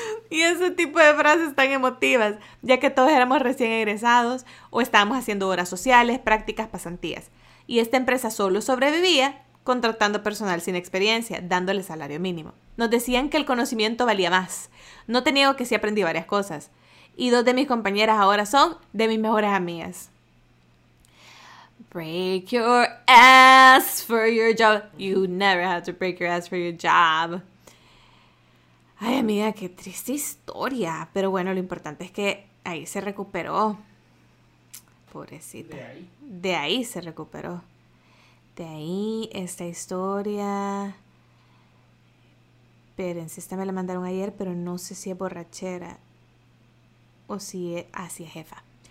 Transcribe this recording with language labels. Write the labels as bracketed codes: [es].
[es] Y ese tipo de frases tan emotivas, ya que todos éramos recién egresados o estábamos haciendo horas sociales, prácticas, pasantías. Y esta empresa solo sobrevivía contratando personal sin experiencia, dándole salario mínimo. Nos decían que el conocimiento valía más. No te niego que sí aprendí varias cosas. Y dos de mis compañeras ahora son de mis mejores amigas. [en] Break your ass for your job. You never have to break your ass for your job. [es] Ay, amiga, qué triste historia. Pero bueno, lo importante es que ahí se recuperó. Pobrecita. De ahí. De ahí se recuperó. De ahí esta historia. Espérense, esta me la mandaron ayer, pero no sé si es borrachera o si es así, ah, jefa.